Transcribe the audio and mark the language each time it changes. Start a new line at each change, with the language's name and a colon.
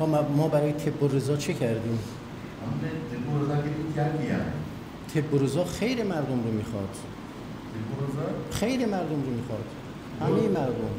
Urdu: ہیں
Persian: ما برای طب رضا چه کردیم؟
Urdu: ہم نے طب رضا کے لیے کیا کیا ہے؟
Persian: طب رضا خیر مردم رو میخواد خیر مردم رو میخواد همه مردم